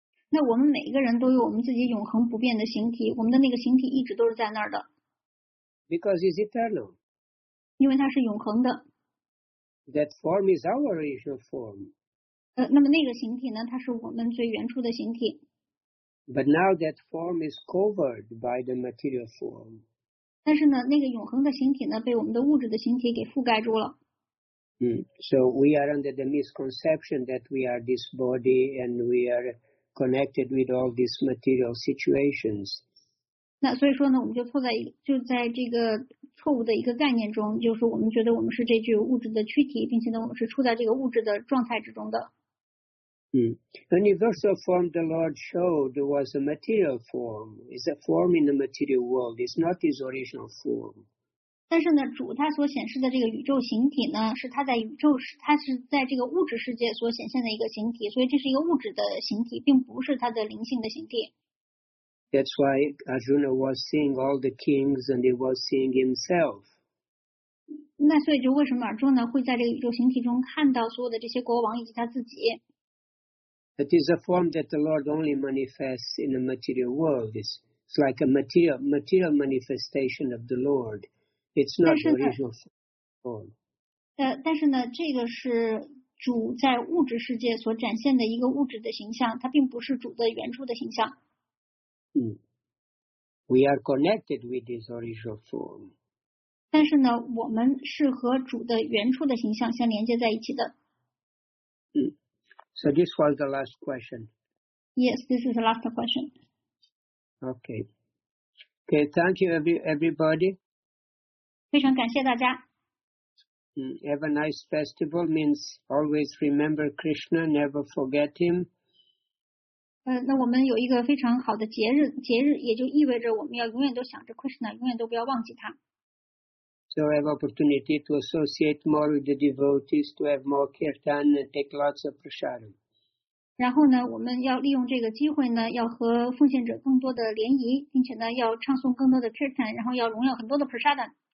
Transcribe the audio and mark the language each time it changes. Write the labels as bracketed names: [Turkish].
[Chinese] 那我们每个人都有我们自己永恒不变的形体，我们的那个形体一直都是在那儿的。 [English] Because it's eternal. [Chinese] 因为它是永恒的。 [English] That form is our original form. [Chinese] 那么那个形体呢，它是我们最原初的形体。 [English] But now that form is covered by the material form. [Chinese] 但是呢，那个永恒的形体呢，被我们的物质的形体给覆盖住了。 [English] So we are under the misconception that we are this body and we are connected with all these material situations. [Chinese] 那所以说呢，我们就在这个错误的一个概念中，就是我们觉得我们是这具物质的躯体，并且呢，我们是处在这个物质的状态之中的。 [English] Universal form the Lord showed was a material form. It's a form in the material world. It's not His original form. [Chinese] 但是呢，主他所显示的这个宇宙形体呢，是他在宇宙，他是在这个物质世界所显现的一个形体，所以这是一个物质的形体，并不是他的灵性的形体。 [English] That's why Arjuna was seeing all the kings and he was seeing himself. [Chinese] 那所以就为什么 Arjuna 会在这个宇宙形体中看到所有的这些国王以及他自己？ [English] It is a form that the Lord only manifests in the material world. It's like a material manifestation of the Lord. It's not the original form. [Chinese] 但是呢，这个是主在物质世界所展现的一个物质的形象，它并不是主的原初的形象。 [English] We are connected with this original form. [Chinese] 但是呢，我们是和主的原初的形象相连接在一起的。 [English] So this was the last question. Yes, this is the last question. Okay. Okay, thank you everybody. [Chinese] 非常感谢大家。 [English] Have a nice festival means always remember Krishna, never forget him. [Chinese] 那我们有一个非常好的节日也就意味着我们要永远都想着 Krishna, 永远都不要忘记他。 [English] So have opportunity to associate more with the devotees, to have more kirtan and take lots of prasadam. [Chinese] 然后呢，我们要利用这个机会呢，要和奉献者更多的联谊，并且呢，要唱诵更多的 kirtan, 然后要荣耀很多的 prasadam。